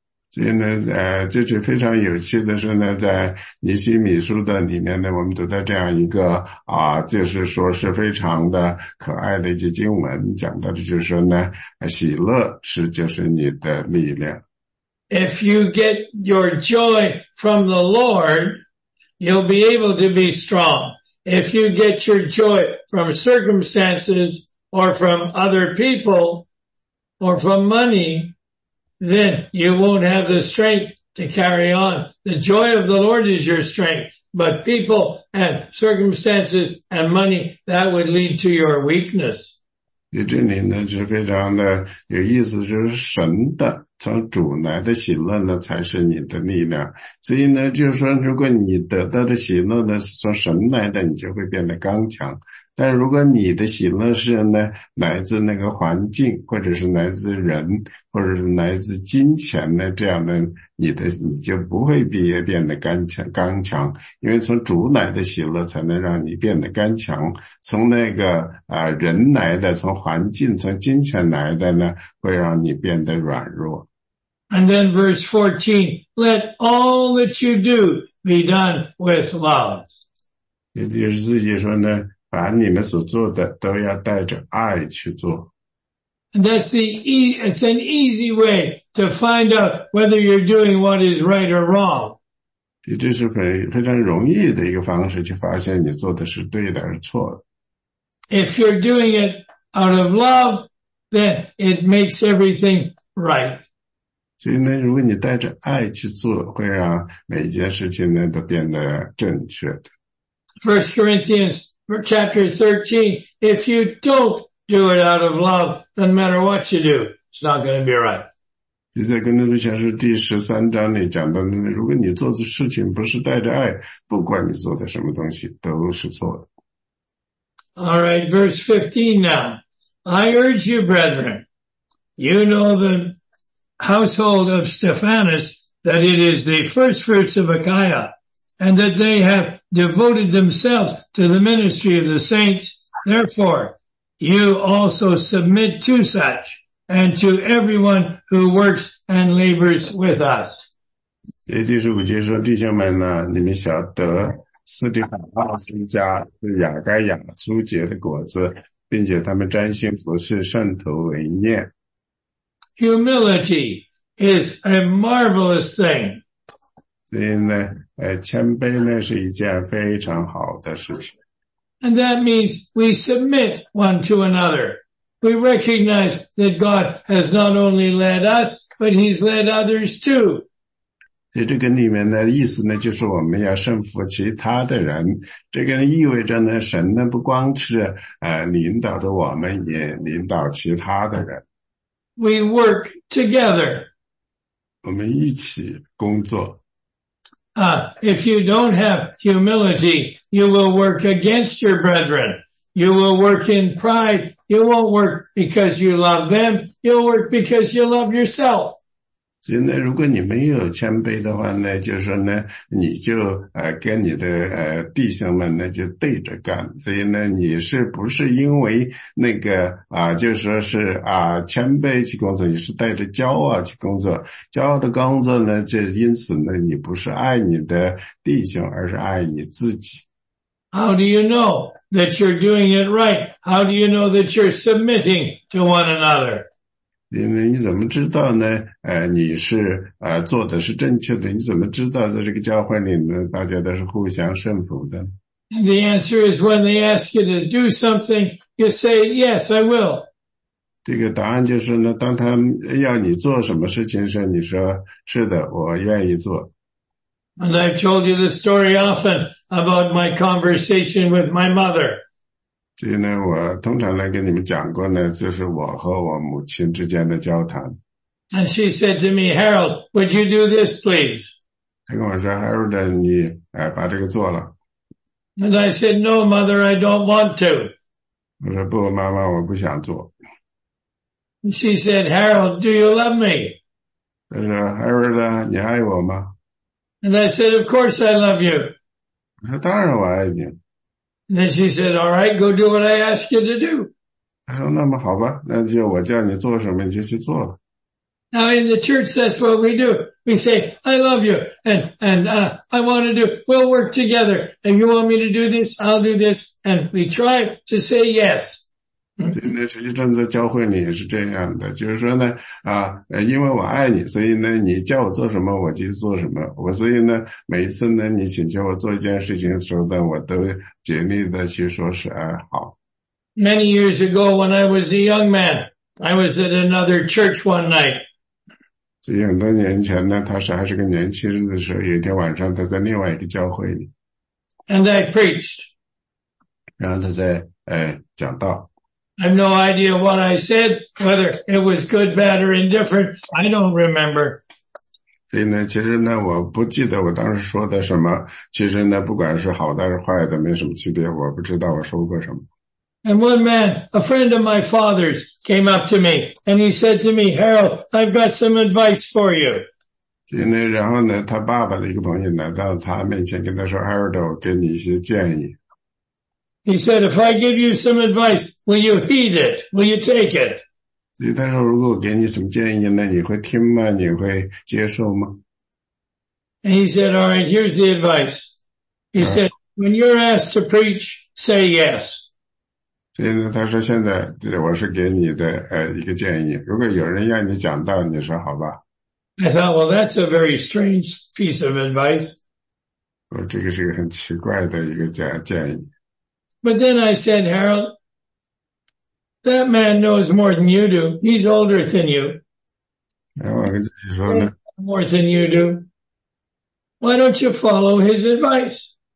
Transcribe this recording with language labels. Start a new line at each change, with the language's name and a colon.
Chinese: 所以呢，就是非常有趣的是呢，在尼希米书的里面呢，我们读到这样一个啊，就是说是非常的可爱的一句经文，讲到的就是说呢，喜乐是就是你的力量。
English: If you get your joy from the Lord, you'll be able to be strong. If you get your joy from circumstances or from other people or from money, then you won't have the strength to carry on. The joy of the Lord is your strength, but people and circumstances and money, that would lead to your weakness.
Chinese: 这里呢是非常的有意思，就是神的从主来的喜乐呢才是你的力量，所以呢就是说如果你得到的喜乐呢是从神来的，你就会变得刚强，但如果你的喜乐是呢来自那个环境，或者是来自人，或者是来自金钱呢，这样呢你就不会变得刚强，因为从主来的喜乐才能让你变得刚强，从那个人来的，从环境，从金钱来的呢，会让你变得软弱。
English: And then verse 14, let all that you do be done with love.
Chinese: 也就是自己说呢，把你们所做的都要带着爱去做。
English: And that's it's an easy way to find out whether you're doing what is right or wrong.
Chinese: 也就是非常容易的一个方式去发现你做的是对的还是错的。
English: If you're doing it out of love, then it makes everything right.
Chinese: 所以呢，如果你带着爱去做，会让每一件事情呢都变得正确的。
English: First Corinthians chapter 13, if you don't do it out of love, no matter what you do, it's not going to be right.
Chinese: 你在跟那个前书第十三章里讲到的，如果你做的事情不是带着爱，不管你做的什么东西都是错的。
English: All right, verse 15 now. I urge you, brethren, you know the household of Stephanas, that it is the first fruits of Achaia, and that they have devoted themselves to the ministry of the saints. Therefore, you also submit to such and to everyone who works and labors with us.
Chinese: 也就是五节说，弟兄们呢，你们晓得斯蒂凡奥斯家是亚该亚初结的果子，并且他们专心服侍圣徒为念。
English: Humility is a marvelous thing.
Chinese: 所以呢，谦卑呢是一件非常好的事情。
English: And that means we submit one to another. We recognize that God has not only led us, but He's led others too.
Chinese: 所以这个里面的意思呢，就是我们要顺服其他的人。这个意味着呢，神呢不光是领导着我们，也领导其他的人。
English: We work together.
Chinese: 我们一起工作。
English: If you don't have humility, you will work against your brethren. You will work in pride. You won't work because you love them. You'll work because you love yourself.
Chinese: 所以呢，如果你没有谦卑的话呢，就是说呢，你就跟你的弟兄们呢就对着干。所以呢，你是不是因为那个就是说是谦卑去工作，你是带着骄傲去工作？骄傲的工作呢，就因此呢，你不是爱你的弟兄，而是爱你自己。
English: How do you know that you're doing it right? How do you know that you're submitting to one another?
Chinese: 你怎么知道呢你是做的是正确的，你怎么知道在这个教会里呢大家都是互相顺服的。
English: The answer is when they ask you to do something, you say, yes, I will.
Chinese: 这个答案就是呢，当他要你做什么事情时，你说，是的，我愿意做。
English: And I've told you the story often about my conversation with my mother.
Chinese: 这个呢，我通常来跟你们讲过呢，就是我和我母亲之间的交谈。
English: And she said to me, Harold, would you do this, please?
Chinese: 她跟我说 ,Harold, 你把这个做了。
English: And I said, no, mother, I don't want to.
Chinese: 我说不，妈妈，我不想做。
English: And she said, Harold, do you love me?
Chinese: 她说 ,Harold, 你爱我吗？
English: And I said, of course I love you.
Chinese: 她说当然我爱你。
English: And then she said, all right, go do what I ask you to do.
Chinese: 她说那么好吧，那就我叫你做什么你就去做了。
English: Now in the church, that's what we do. We say, I love you, and I want to do, we'll work together. And you want me to do this, I'll do this. And we try to say yes.
Chinese: 对，那实际上在教会里也是这样的，就是说呢，因为我爱你，所以呢，你叫我做什么，我就做什么。我所以呢，每一次呢，你请求我做一件事情的时候呢，我都竭力的去说是好。
English: Many years ago, when I was a young man, I was at another church one night.
Chinese: 所以很多年前呢，他是还是个年轻人的时候，有一天晚上他在另外一个教会里。
English: And I preached.
Chinese: 然后他在讲道。
English: I have no idea what I said, whether it was good, bad, or indifferent. I don't remember.
Chinese: 所以呢，其实呢，我不记得我当时说的什么。其实呢，不管是好的还是坏的，没什么区别。我不知道我说过什么。
English: And one man, a friend of my father's, came up to me, and he said to me, Harold, I've got some advice for you.
Chinese: 今天然后呢，他爸爸的一个朋友来到他面前跟他说 Harold, 我给你一些建议。
English: He said, if I give you some advice, will you heed it? Will you take it?
Chinese: 所以他说，如果我给你什么建议呢，你会听吗？你会接受吗？
English: And he said, all right, here's the advice. He said, when you're asked to preach, say yes.
Chinese: 所以呢，他说现在我是给你的一个建议，如果有人要你讲道，你说好吧。
English: I thought, well, that's a very strange piece of advice.
Chinese: 这个是个很奇怪的一个建议。
English: But then I said, Harold, that man knows more than you do. He's older than you.
Chinese: 然后我跟自己说呢。
English: More than you do. Why don't you follow his advice?